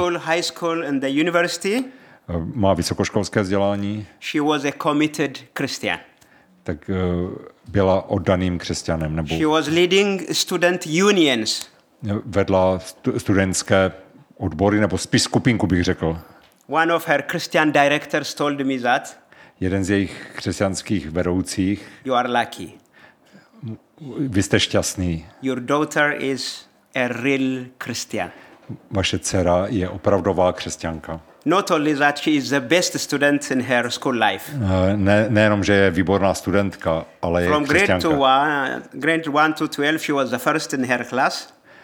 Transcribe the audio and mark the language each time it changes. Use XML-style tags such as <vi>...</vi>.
<en>elementary school, high school and the university,</en> <cs>má vysokoškolské vzdělání,</cs> <en>she was a committed Christian.</en> <cs>Tak byla oddaným křesťanem. Nebo</cs> <en>she was leading student unions.</en> <cs>Vedla studentské odbory, nebo spíš skupinku, bych řekl.</cs> <en>One of her Christian directors told me that.</en> <cs>Jeden z jejich křesťanských vedoucích.</cs> <en>You are lucky.</en> <cs>Vy jste šťastný.</cs> <en>Your daughter is a real Christian.</en> <cs>Vaše dcera je opravdová křesťanka.</cs> <en>Not only that, she is the best student in her school life.</en> <cs>Nejenom, že je výborná studentka, ale</cs> <en>from</en> <cs>je křesťanka.</cs> <en>From grade 1 to 12, she was the first in her class.</en>